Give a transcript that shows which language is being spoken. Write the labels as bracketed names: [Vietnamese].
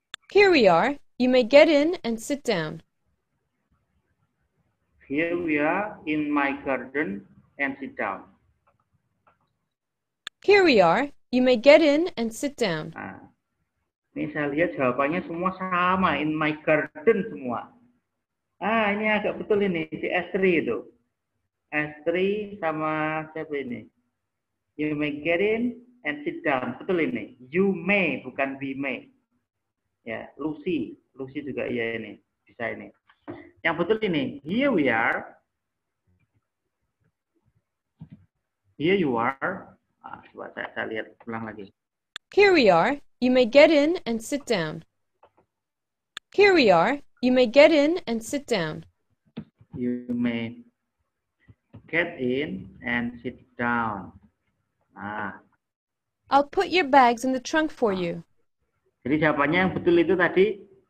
[English] Here we are. You may get in and sit down. Here we are in my garden and sit down. Here we are. You may get in and sit down. [Indonesian] Nah, ini saya lihat jawabannya semua sama. [English] In my garden [Indonesian] semua. Ah, ini agak betul ini. Si Estri itu. Estri sama siapa ini? [English] You may get in and sit down. [Indonesian] Betul ini. [English] You may, [Indonesian] bukan [English] we may. [Indonesian] Ya, Lucy. Lucy juga iya ini. Bisa ini. Yang betul ini. [English] Here we are. Here you are. Coba saya lihat ulang lagi. Here we are. You may get in and sit down. Here we are. You may get in and sit down. You may get in and sit down. Ah. I'll put your bags in the trunk for you. [Indonesian] Jadi jawabannya yang betul itu tadi.